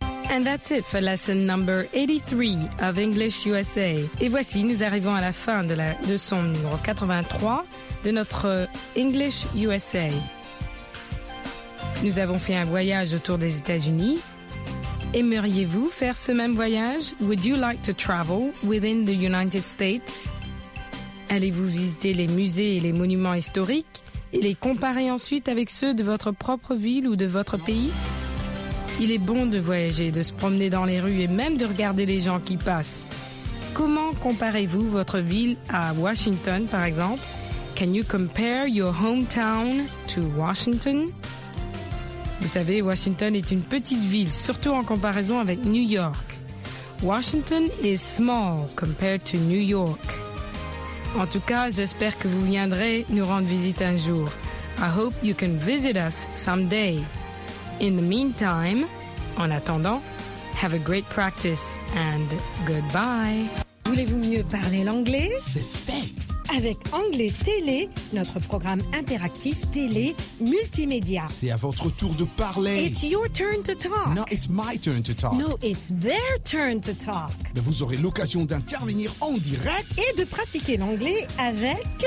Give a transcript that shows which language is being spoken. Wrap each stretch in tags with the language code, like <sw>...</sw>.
<en>And that's it for lesson number 83 of English USA.</en> <fr>Et voici, nous arrivons à la fin de la leçon numéro 83 de notre English USA. Nous avons fait un voyage autour des États-Unis. Aimeriez-vous faire ce même voyage?</fr> <en>Would you like to travel within the United States?</en> <fr>Allez-vous visiter les musées et les monuments historiques? Et les comparer ensuite avec ceux de votre propre ville ou de votre pays? Il est bon de voyager, de se promener dans les rues et même de regarder les gens qui passent. Comment comparez-vous votre ville à Washington, par exemple?</fr> <en>Can you compare your hometown to Washington?</en> <fr>Vous savez, Washington est une petite ville, surtout en comparaison avec New York.</fr> <en>Washington is small compared to New York.</en> <fr>En tout cas, j'espère que vous viendrez nous rendre visite un jour.</fr> <en>I hope you can visit us someday. In the meantime,</en> <fr>en attendant,</fr> <en>have a great practice and goodbye.</en> <fr>Voulez-vous mieux parler l'anglais? C'est fait! Avec Anglais Télé, notre programme interactif télé multimédia. C'est à votre tour de parler.</fr> <en>It's your turn to talk. No, it's my turn to talk. No, it's their turn to talk.</en> <fr>Mais vous aurez l'occasion d'intervenir en direct. Et de pratiquer l'anglais avec...</fr>